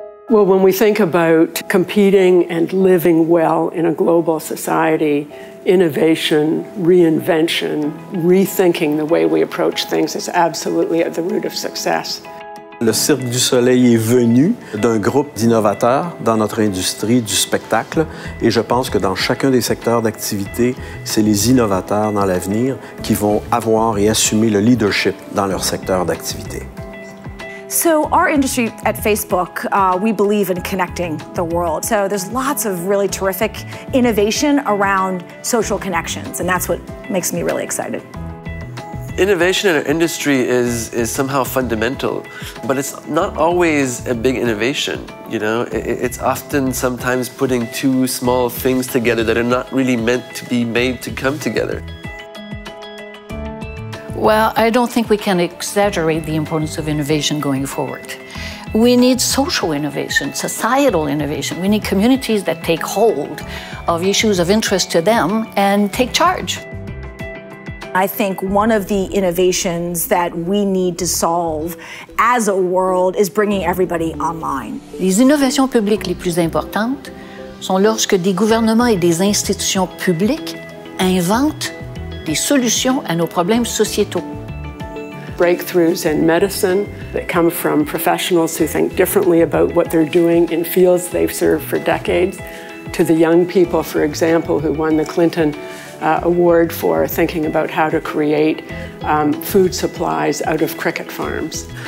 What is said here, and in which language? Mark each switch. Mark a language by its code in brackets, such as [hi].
[en] Well, when we think about competing and living well in a global society, innovation, reinvention, rethinking the way we approach things is absolutely at the root of success. [fr] Le Cirque du Soleil est venu d'un groupe d'innovateurs dans notre industrie du spectacle, et je pense que dans chacun des secteurs d'activité, c'est les innovateurs dans l'avenir qui vont avoir et assumer le leadership dans leur secteur d'activité. [en] So our industry at Facebook, we believe in connecting the world. So there's lots of really terrific innovation around social connections, and that's what makes me really excited. Innovation in our industry is somehow fundamental, but it's not always a big innovation, you know? It's often sometimes putting two small things together that are not really meant to be made to come together. Well, I don't think we can exaggerate the importance of innovation going forward. We need social innovation, societal innovation. We need communities that take hold of issues of interest to them and take charge. I think one of the innovations that we need to solve as a world is bringing everybody online. [fr] Les innovations publiques les plus importantes sont lorsque des gouvernements et des institutions publiques inventent des solutions à nos problèmes sociétaux. [en] Breakthroughs in medicine that come from professionals who think differently about what they're doing in fields they've served for decades, to the young people, for example, who won the Clinton Award for thinking about how to create food supplies out of cricket farms.